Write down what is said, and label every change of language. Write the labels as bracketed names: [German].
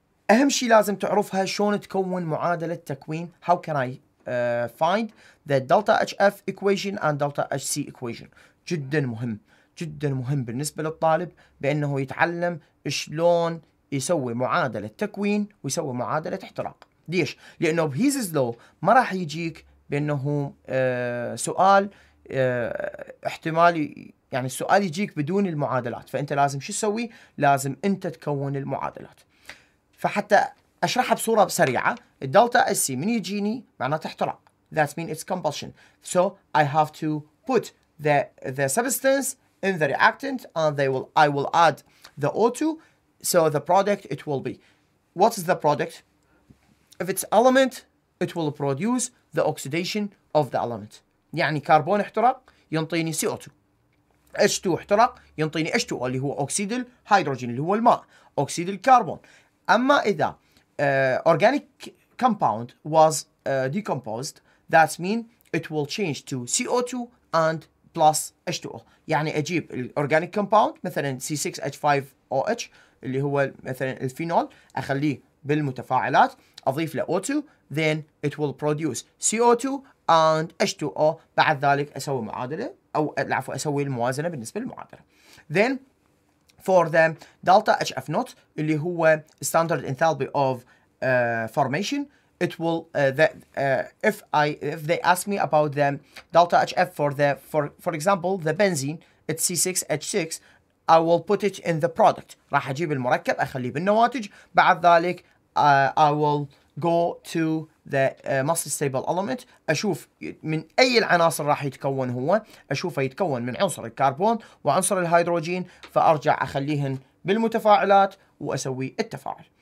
[Arabic] أهم شيء لازم تعرفها شلون تكون معادلة تكوين. [English] How can I find the delta HF equation and delta HC equation. [Arabic] جدا مهم، جدا مهم بالنسبة للطالب بأنه يتعلم شلون يسوي معادلة تكوين ويسوي معادلة احتراق. ليش؟ لأنه بهيزز لو ما راح يجيك بأنه سؤال احتمالي، يعني السؤال يجيك بدون المعادلات، فأنت لازم شو تسوي؟ لازم أنت تكون المعادلات. فحتى أشرحها بصورة سريعة، الدلتا اس سي من يجيني معناته احتراق. [English] That means it's combustion. So I have to put the substance in the reactant and I will add the O2. So the product it will be. What is the product? If it's element, it will produce the oxidation of the element. [Arabic] يعني كربون احتراق ينطيني CO2. H2 احتراق ينطيني H2 اللي هو أكسيد الهيدروجين اللي هو الماء، أكسيد الكربون. أما إذا [English] organic compound was decomposed, that means it will change to CO2 and plus H2O. [Arabic] يعني أجيب organic compound مثلا C6H5OH اللي هو مثلا الفينول، أخليه بالمتفاعلات أضيف له O2, [English] then it will produce CO2 and H2O. [Arabic] بعد ذلك أسوي معادلة، أو العفو أسوي الموازنة بالنسبة للمعادلة. [English] Then for the delta HF0 [Arabic] اللي هو [English] standard enthalpy of formation, it will if they ask me about the delta HF for the for example the benzene, it's C6H6, I will put it in the product. [Arabic] راح أجيب المركب أخليه بالنواتج، بعد ذلك [English] I will go to the most stable element، [Arabic] أشوف من أي العناصر راح يتكون هو، أشوفه يتكون من عنصر الكربون وعنصر الهيدروجين، فأرجع أخليهن بالمتفاعلات وأسوي التفاعل.